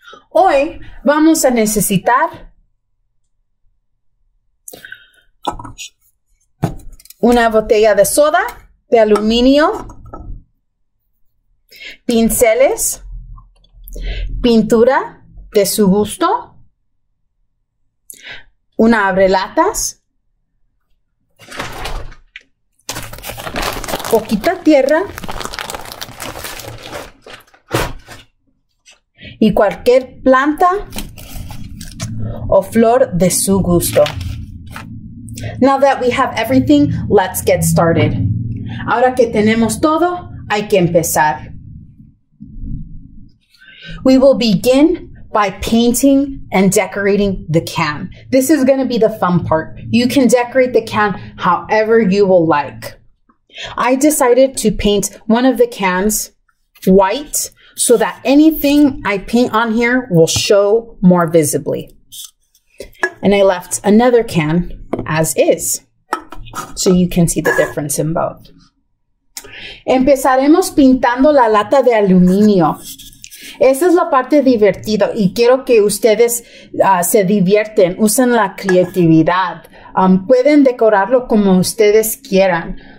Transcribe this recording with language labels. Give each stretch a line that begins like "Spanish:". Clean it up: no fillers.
Spanish: Hoy vamos a necesitar una botella de soda, de aluminio, pinceles, pintura de su gusto, una abrelatas, poquita tierra y cualquier planta o flor de su gusto.
English: Now that we have everything, let's get started.
Spanish: Ahora que tenemos todo, hay que empezar.
English: We will begin by painting and decorating the can. This is going to be the fun part. You can decorate the can however you will like. I decided to paint one of the cans white so that anything I paint on here will show more visibly. And I left another can as is, so you can see the difference in both.
Spanish: Empezaremos pintando la lata de aluminio. Esa es la parte divertida y quiero que ustedes se divierten, usen la creatividad. Pueden decorarlo como ustedes quieran.